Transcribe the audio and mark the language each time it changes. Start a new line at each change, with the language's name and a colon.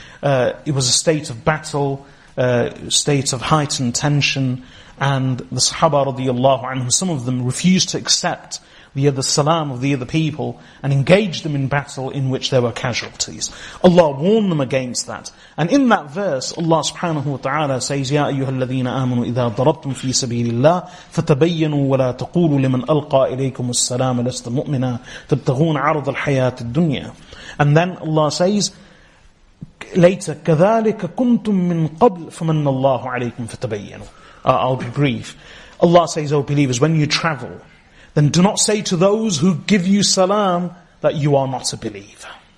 English: It was a state of battle, state of heightened tension, and the Sahaba radiallahu anhum, some of them refused to accept the salam of the other people and engaged them in battle in which there were casualties. Allah warned them against that. And in that verse, Allah subhanahu wa ta'ala says,
Arabic: يَا أَيُّهَا الَّذِينَ آمَنُوا إِذَا ضَرَبْتُمْ فِي سَبِيلِ اللَّهِ فَتَبَيَّنُوا وَلَا تَقُولُوا لِمَنْ أَلْقَى إِلَيْكُمُ السَّلَامَ لَسْتَ مُؤْمِنًا تَبْتَغُونَ عَرَضَ الْحَيَاةِ الدُّنْيَا.
English: And then Allah says, later,
Arabic: كَذَلِكَ كُنْتُمْ مِنْ قَبْلِ فَمَنَّ اللَّهُ عَلَيْكُمْ فَتَبَيَّنُوا.
English: I'll be brief. Allah says, O believers, when you travel, then do not say to those who give you salam that you are not a believer.